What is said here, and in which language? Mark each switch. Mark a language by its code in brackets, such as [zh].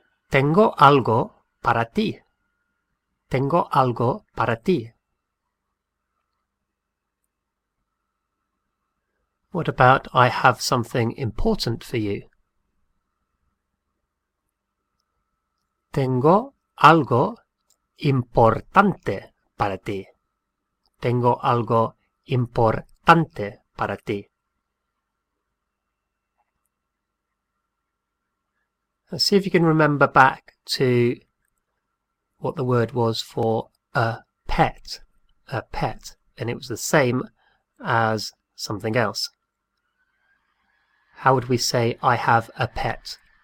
[es] Tengo algo para ti. Tengo algo para ti. [en] What about I have something important for you? [es] Tengo algo importante para ti. Tengo algo importante para ti. [en] Let's see if you can remember back to what the word was for a pet. A pet. And it was the same as something else. How would we say I have a pet?